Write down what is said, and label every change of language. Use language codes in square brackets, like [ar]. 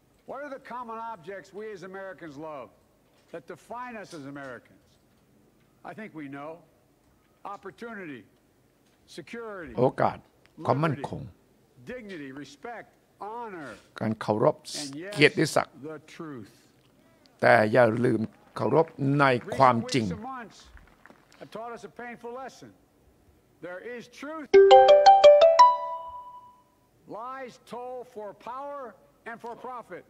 [en] What are the common objects we as Americans love that define us as Americans? I think we know. Opportunity, security, [th] โอกาสความมั่นคง [en] dignity, respect, honor, [th] การเคารพเกียรติศักดิ์ [en] the truth. [th] แต่อย่าลืมเคารพในความจริง [en] I taught us a painful lesson. There is truth. Lies told for power and for profit.